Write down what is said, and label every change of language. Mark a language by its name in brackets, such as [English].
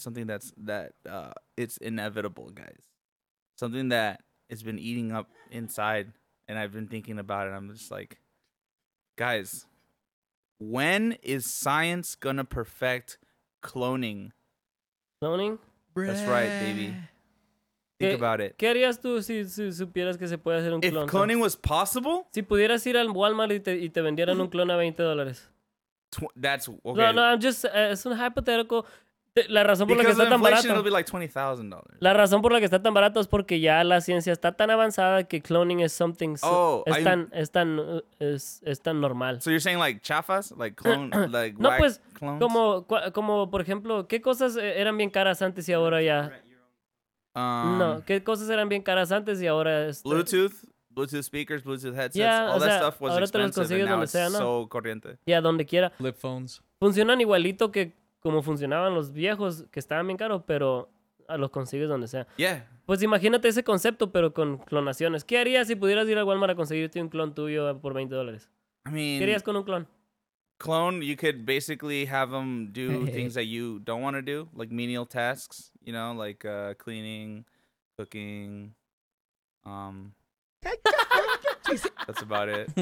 [English] Something that's it's inevitable, guys. Something that it's been eating up inside, and I've been thinking about it. I'm just like, guys, when is science gonna perfect cloning? Cloning? That's right, baby. Think about it. [Spanish] ¿Qué harías tú si supieras que se puede hacer un [English] clon? If cloning was possible? [Spanish] Si pudieras ir al Walmart y te vendieran un clon a $20. [English] That's okay. No, I'm just it's a hypothetical. [Spanish] La razón por la que está tan barato. [English] It'll be like $20,000. [Spanish] La razón por la que está tan barato es porque ya la ciencia está tan avanzada que [English] cloning is something [Spanish] es tan normal. [English] So you're saying like chafas, like clone like no, pues, clones? [Spanish] Como por ejemplo, ¿qué cosas eran bien caras antes y ahora ya? No, ¿qué cosas eran bien caras antes y ahora es? [English] Bluetooth speakers, Bluetooth headsets, yeah, all that stuff was ahora expensive. [Spanish] Te los consigues donde sea, ¿no? [English] So corriente. [Spanish] Ya, yeah, donde quiera. [English] Flip phones. [Spanish] Funcionan igualito que como funcionaban los viejos, que estaban bien caros, pero los consigues donde sea. [English] Yeah. [Spanish] Pues imagínate ese concepto, pero con clonaciones. ¿Qué harías si pudieras ir a Walmart a conseguirte un clon tuyo por $20? [English] I mean, [Spanish] ¿qué harías con un clon? [English] Clone, you could basically have them do things that you don't want to do, like menial tasks, you know, like cleaning, cooking, that's about it.